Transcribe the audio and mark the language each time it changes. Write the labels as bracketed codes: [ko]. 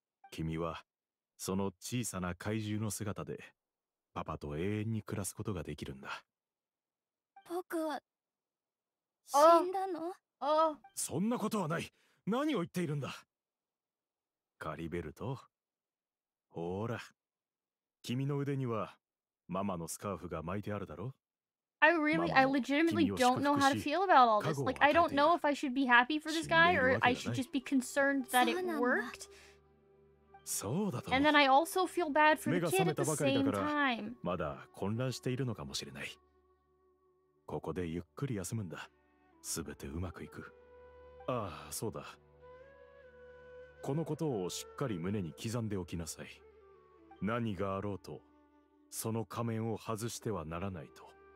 [ja] 君はその小さな怪獣の姿でパパと永遠に暮らすことができるんだ。僕は死んだの？そんなことはない。何を言っているんだカリベルト。ほーら、君の腕にはママのスカーフが巻いてあるだろ。 [en] I legitimately don't know how to feel about all this. Like, I don't know if I should be happy for this guy or I should just be concerned that it worked. And then I also feel bad for the kid at the same time. [ja] まだ混乱しているのかもしれない。ここでゆっくり休むんだ。すべてうまくいく。ああ、そうだ。このことをしっかり胸に刻んでおきなさい。何があろうと、その仮面を外してはならないと。